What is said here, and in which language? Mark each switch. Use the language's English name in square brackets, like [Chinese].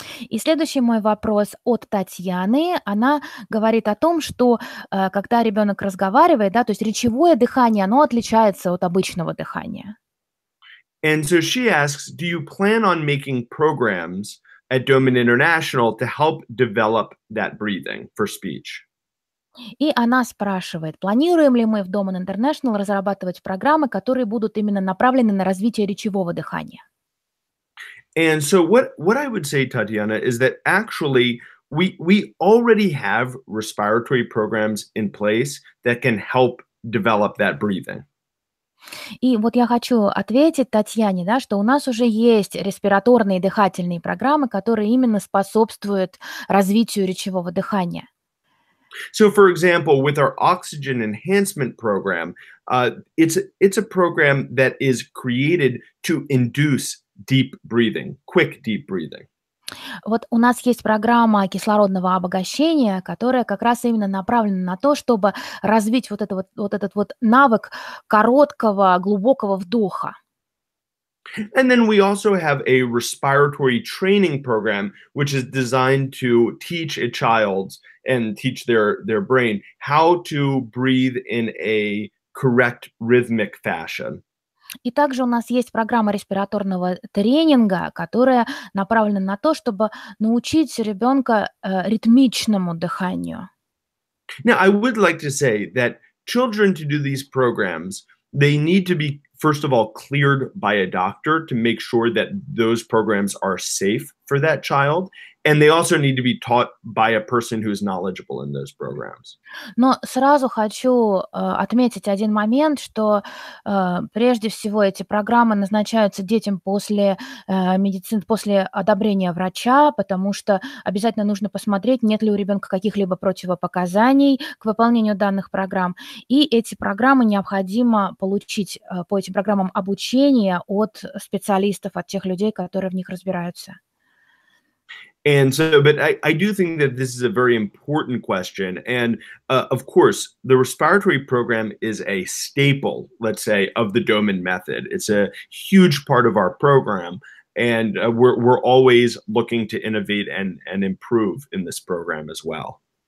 [Russian] И следующий мой вопрос от Татьяны. Она говорит о том, что когда ребенок разговаривает, да, то есть речевое дыхание, оно отличается от обычного дыхания. [English] And so she asks, do you plan on making programs at Doman International to help develop that breathing for speech? [Russian] И она спрашивает, планируем ли мы в Doman International разрабатывать программы, которые будут именно направлены на развитие речевого дыхания? [English] And so what I would say, Tatiana, is that actually we already have respiratory programs in place that can help develop that breathing. [Russian] И вот я хочу ответить Татьяне, да, что у нас уже есть респираторные дыхательные программы, которые именно способствуют развитию речевого дыхания. [English] So, for example, with our oxygen enhancement program, it's a program that is created to induce deep breathing, quick deep breathing. [Russian] Вот у нас есть программа кислородного обогащения, которая как раз именно направлена на то, чтобы развить вот это вот, вот этот вот навык короткого, глубокого вдоха. [English] And then we also have a respiratory training program, which is designed to teach a child and teach their brain how to breathe in a correct rhythmic fashion. [Russian] И также у нас есть программа респираторного тренинга, которая направлена на то, чтобы научить ребенка ритмичному дыханию. [English] Now, I would like to say that children to do these programs, they need to be, first of all, cleared by a doctor to make sure that those programs are safe for that child. And they also need to be taught by a person who is knowledgeable in those programs. [Russian] Но сразу хочу отметить один момент, что прежде всего эти программы назначаются детям после медицин, после одобрения врача, потому что обязательно нужно посмотреть, нет ли у ребенка каких-либо противопоказаний к выполнению данных программ. И эти программы необходимо получить по этим программам обучение от специалистов, от тех людей, которые в них разбираются. [English] And so, but I do think that this is a very important question. And of course, the respiratory program is a staple, let's say, of the Doman method. It's a huge part of our program. And we're always looking to innovate and improve in this program as well.